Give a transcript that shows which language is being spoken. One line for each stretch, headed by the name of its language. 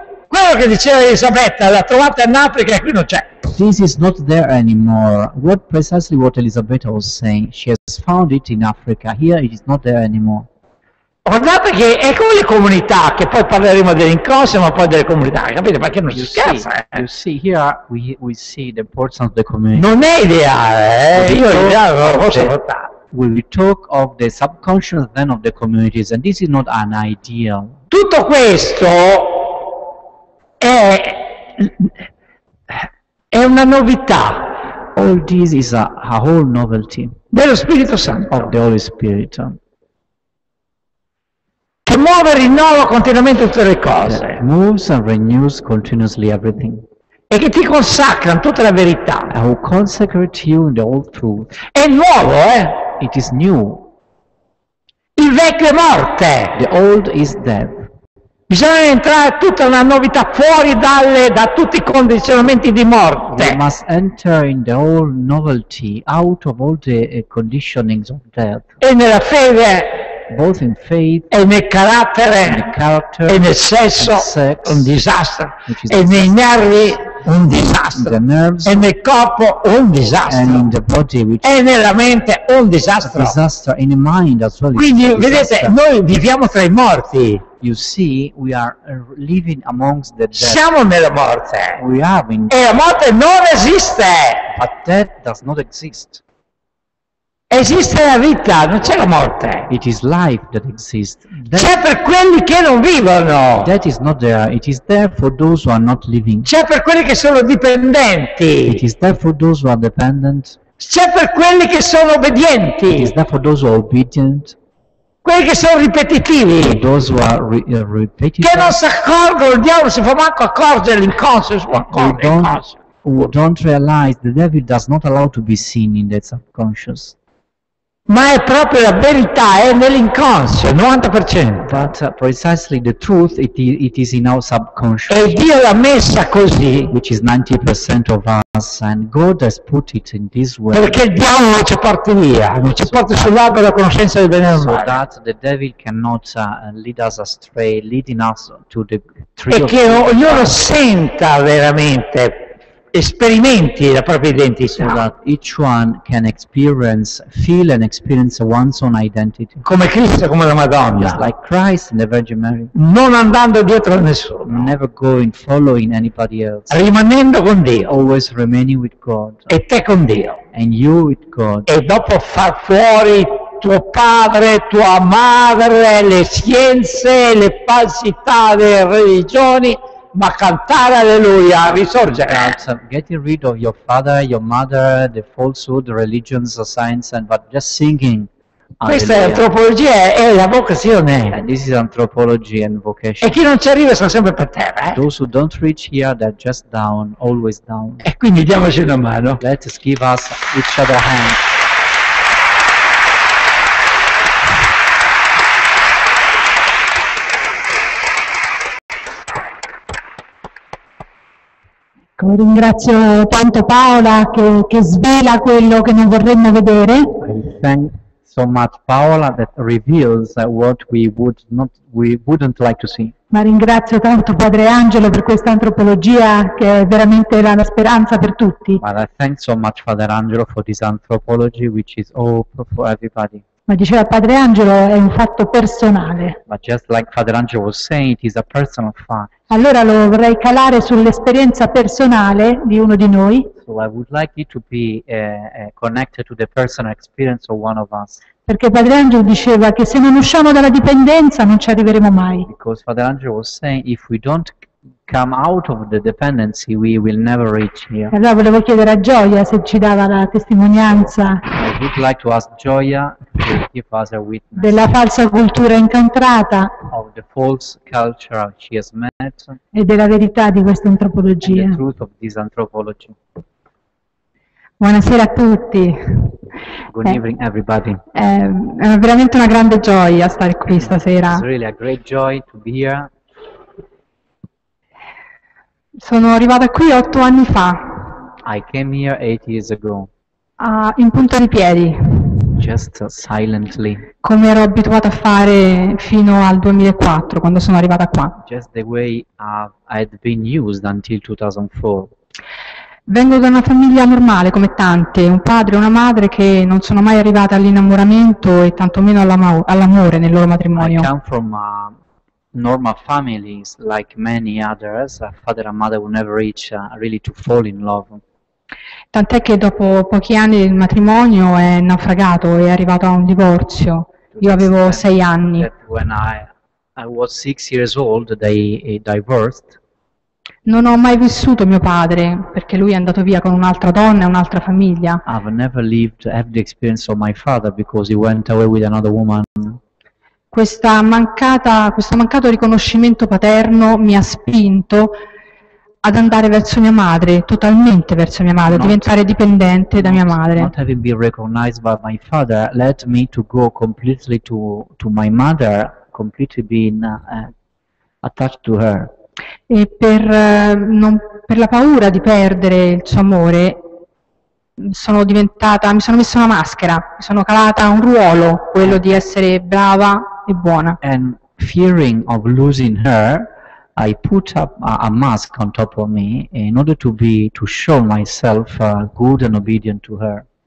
Italian: Quello che diceva Elisabetta, la trovate in Africa e qui non c'è.
English: This is not there anymore. What precisely what Elisabetta was saying? She has found it in Africa. Here it is not there anymore.
Italian: Guardate che è come le comunità, che poi parleremo dell'incrocio, ma poi delle comunità, capite? Perché non si scherza,
English: You see, here we see the importance of the community.
Italian: Non è ideale, Io l'ideale non lo posso portare.
English: We talk of the subconscious, then of the communities, and this is not an ideal.
Italian: Tutto questo è È una novità.
English: All this is a whole novelty.
Italian: Dello Spirito Santo.
English: Of the Holy Spirit.
Italian: Che muove e rinnova continuamente tutte le cose.
English: Moves and renews continuously everything.
Italian: E che ti consacra in tutta la verità.
English: I will consecrate you in the whole truth.
Italian: È nuovo, eh?
English: It is new.
Italian: Il vecchio è morte.
English: The old is dead.
Italian: Bisogna entrare tutta una novità fuori dalle, da tutti i condizionamenti di morte.
English: We must enter in the old novelty, out of all the conditionings of death.
Italian: E nella fede.
English: Both in faith.
Italian: E nel carattere.
English: In the character.
Italian: E nel sesso.
English: Sex,
Italian: un disastro. E nei nervi. Un disastro.
English: Nerves,
Italian: e nel corpo un disastro.
English: And in the body, which,
Italian: e nella mente un disastro.
English: Disaster, in the mind as well.
Italian: Quindi vedete, noi viviamo tra i morti.
English: You see, we are living amongst the dead.
Italian: Siamo nella morte.
English: We are in
Italian: e la morte non esiste.
English: But death does not exist.
Italian: Esiste la vita, non c'è la morte.
English: It is life that exists. That
Italian: c'è per quelli che non vivono.
English: That is not there. It is there for those who are not living.
Italian: C'è per quelli che sono dipendenti.
English: It is there for those who are dependent.
Italian: C'è per quelli che sono obbedienti.
English: It is there for those who are obedient.
Italian: Quelli che sono ripetitivi.
English: For those who are repetitive.
Italian: Che non si accorgono, il diavolo si fa manco accorgere, l'inconscio si fa accorgere.
English: Who don't realize the devil does not allow to be seen in the subconscious.
Italian: Ma è proprio la verità, è nell'inconscio, 90%.
English: But precisely the truth, it is in our subconscious.
Italian: E Dio l'ha messa così.
English: Which is 90% of us, and God has put it in this way.
Italian: Perché il diavolo non ci porta via, non ci porta sull'albero della conoscenza del bene e del male.
English: So that the devil cannot lead us astray, leading us to the tree.
Italian: E che ognuno senta veramente. Sperimenti la propria identità.
English: So that each one can experience, feel and experience one's own identity.
Italian: Come Cristo, come la Madonna.
English: Just like Christ and the Virgin Mary.
Italian: Non andando dietro a nessuno.
English: Never going, following anybody else.
Italian: Rimanendo con Dio.
English: Always remaining with God.
Italian: E te con Dio.
English: And you with God.
Italian: E dopo far fuori tuo padre, tua madre, le scienze, le falsità, le religioni. Ma cantare alleluia, risorgere.
English: Getting rid of your father, your mother, the falsehood, the religions, the science, and but just singing.
Italian: Questa è antropologia e la vocazione.
English: And this is anthropology and vocation.
Italian: E chi non ci arriva sono sempre per terra.
English: Those who don't reach here, they're just down, always down.
Italian: E quindi diamoci una mano.
English: Let's give us each other a hand.
Italian: Ringrazio tanto Paola che svela quello che non vorremmo vedere.
English: I thank so much Paola that reveals what we wouldn't like to see.
Italian: Ma ringrazio tanto Padre Angelo per questa antropologia che è veramente la speranza per tutti.
English: But I thank so much Father Angelo for this anthropology which is hope for everybody.
Italian: Ma diceva Padre Angelo è un fatto personale.
English: But just like Father Angelo was saying, it is a personal fact.
Italian: Allora lo vorrei calare sull'esperienza personale di uno di noi.
English: So I would like it to be connected to the personal experience of one of us.
Italian: Perché Padre Angelo diceva che se non usciamo dalla dipendenza non ci arriveremo mai.
English: Because Father Angelo was saying if we don't come out of the dependency we will never reach here.
Italian: Allora volevo chiedere a Gioia se ci dava la testimonianza.
English: I would like to ask Gioia to give us a witness.
Italian: Della falsa cultura incontrata.
English: Of the false culture she has met.
Italian: E della verità di questa antropologia.
English: And the truth of this anthropology.
Italian: Buonasera a tutti.
English: Good evening everybody.
Italian: È veramente una grande gioia stare qui stasera.
English: It's really a great joy to be here.
Italian: Sono arrivata qui 8 anni fa.
English: I came here 8 years ago.
Italian: In punta di piedi.
English: Just silently.
Italian: Come ero abituata a fare fino al 2004, quando sono arrivata qua.
English: Just the way I had been used until 2004.
Italian: Vengo da una famiglia normale, come tante. Un padre e una madre che non sono mai arrivate all'innamoramento e tantomeno all'amore nel loro matrimonio.
English: I come from a normal families like many others, a father and mother will never reach really to fall in love.
Italian: Tant'è che dopo pochi anni il matrimonio è naufragato e è arrivato a un divorzio. Io avevo 6 anni.
English: When I was 6 years old, they divorced.
Italian: Non ho mai vissuto mio padre, perché lui è andato via con un'altra donna e un'altra famiglia.
English: I've never lived have the experience of my father because he went away with another woman.
Italian: Questo mancato riconoscimento paterno mi ha spinto ad andare verso mia madre, totalmente verso mia madre, diventare dipendente da mia madre.
English: Not having been recognized by my father led me to go completely to my mother, completely being attached to her.
Italian: E per la paura di perdere il suo amore mi sono messa una maschera, mi sono calata un ruolo, quello di essere brava e buona.
English: And fearing of losing her, I put up a mask on top of me in order to show myself good and obedient to her.